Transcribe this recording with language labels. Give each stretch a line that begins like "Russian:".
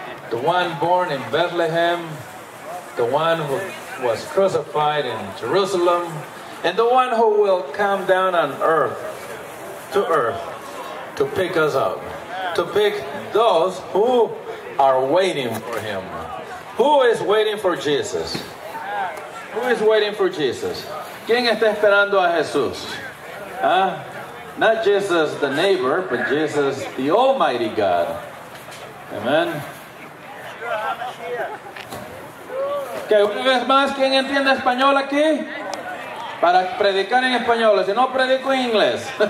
English: The one born in Bethlehem, the one who was crucified in Jerusalem, and the one who will come down on earth, to pick us up, to pick those who are waiting for him. Who is waiting for Jesus? Who is waiting for Jesus?
Spanish: ¿Quién está esperando a Jesús? Huh?
English: Not Jesus the neighbor, but Jesus the Almighty God. Amen.
Spanish: Que una vez más, ¿quién entiende español aquí? Para predicar en español, si no predico en inglés.